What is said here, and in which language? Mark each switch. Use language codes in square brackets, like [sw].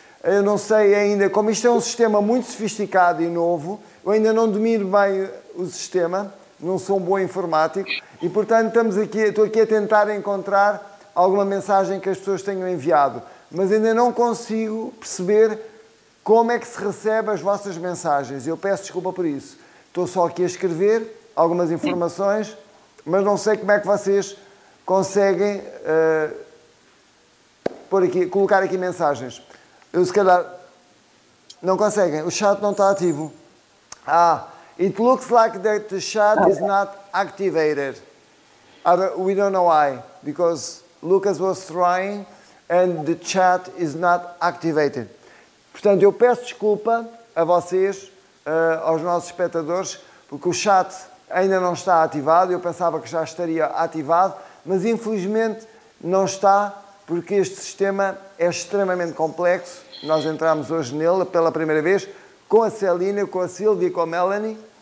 [pt] Eu não sei ainda, como isto é um sistema muito sofisticado e novo, eu ainda não domino bem o sistema, não sou um bom informático, e portanto estou aqui a tentar encontrar alguma mensagem que as pessoas tenham enviado, mas ainda não consigo perceber como é que se recebe as vossas mensagens. Eu peço desculpa por isso. Estou só aqui a escrever algumas informações, mas não sei como é que vocês conseguem colocar aqui mensagens. Eu, se calhar, não conseguem. O chat não está ativo. [en] Ah, it looks like that the chat is not activated. We don't know why. Because Lucas was trying and the chat is not activated. [pt] Portanto, eu peço desculpa a vocês, aos nossos espectadores, porque o chat ainda não está ativado. Eu pensava que já estaria ativado, mas infelizmente não está, porque este sistema é extremamente complexo. Nós entramos hoje nele pela primeira vez com a Celina, com a Silvia e com a Melanie.